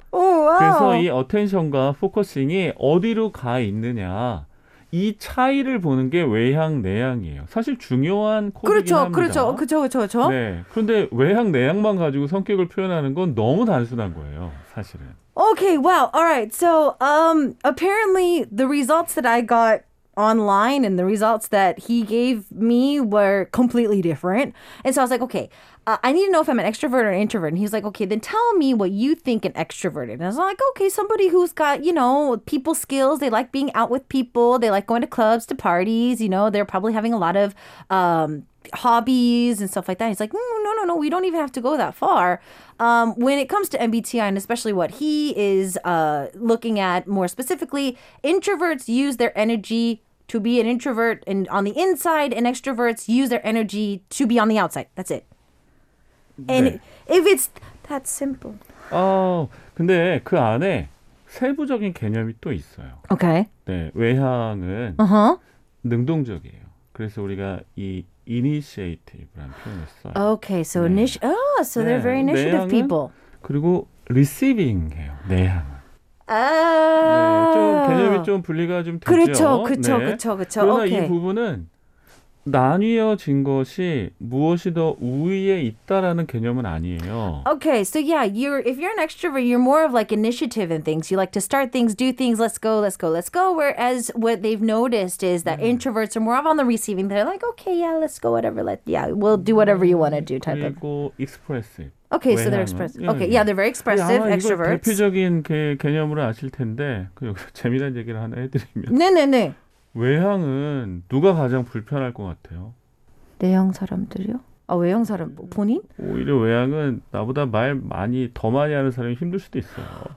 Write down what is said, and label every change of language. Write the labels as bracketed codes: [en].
[ko] 그래서 이 어텐션과 포커싱이 어디로 가 있느냐 이 차이를 보는 게 외향, 내향이에요. 사실 중요한 코드이긴 합니다. 그렇죠. 네. 그런데 외향, 내향만 가지고 성격을 표현하는 건 너무 단순한 거예요, 사실은. [en] Okay, wow. All right. So, apparently the results that I got online and the results that he gave me were completely different. And so I was like, okay, I need to know if I'm an extrovert or an introvert. And he's like, okay, then tell me what you think an extrovert is. And I was like, okay, somebody who's got, you know, people skills. They like being out with people. They like going to clubs, to parties. You know, they're probably having a lot of hobbies and stuff like that. He's like, no, we don't even have to go that far. When it comes to MBTI, and especially what he is looking at more specifically, introverts use their energy to be an introvert and on the inside, and extroverts use their energy to be on the outside. That's it. And 네. if it's that simple. [ko] 근데 그 안에 세부적인 개념이 또 있어요. [en] Okay. [ko] 네, 외향은 능동적이에요. 그래서 우리가 이 initiative라는 표현을 써요. [en] Okay, so 네. so they're very initiative [ko] 내향은, [en] people. [ko] 그리고 receiving해요. 내향. 네, 좀 개념이 좀 분리가 좀 되죠. 그렇죠. 그러나 [en] okay. [ko] 이 부분은 나뉘어진 것이 무엇이 더 우위에 있다라는 개념은 아니에요. [en] Okay, so yeah, if you're an extrovert, you're more of like initiative and things. You like to start things, do things, let's go. Whereas what they've noticed is that introverts are more of on the receiving. They're like, okay, yeah, let's go, whatever. We'll do whatever you want to do type [ko] 그리고 그리고 expressive. [en] Okay, [ko] 외향은. [en] So they're expressive. Okay, yeah, they're very expressive, extroverts. [ko] 대표적인 개념으로 아실 텐데, 재미난 얘기를 하나 해드리면. 네. 외향은 누가 가장 불편할 것 같아요? 내향 사람들이요? 아, 외향 사람 본인? 오히려 외향은 나보다 말 많이 더 많이 하는 사람이 힘들 수도 있어요.